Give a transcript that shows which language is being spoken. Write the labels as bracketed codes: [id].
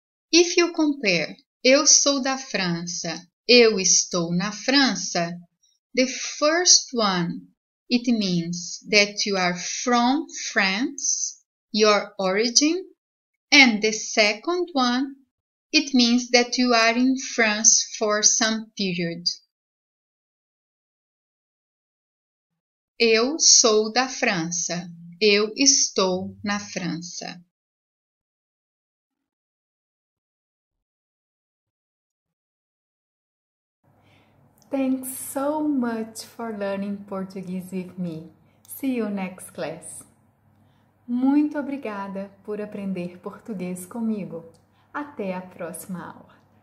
[en] If you compare, [pt] eu sou da França, eu estou na França, [en] the first one, it means that you are from France, your origin, and the second one, it means that you are in France for some period. [pt] Eu sou da França, eu estou na França. [en] Thanks so much for learning Portuguese with me. See you next class. [pt] Muito obrigada por aprender português comigo. Até a próxima aula.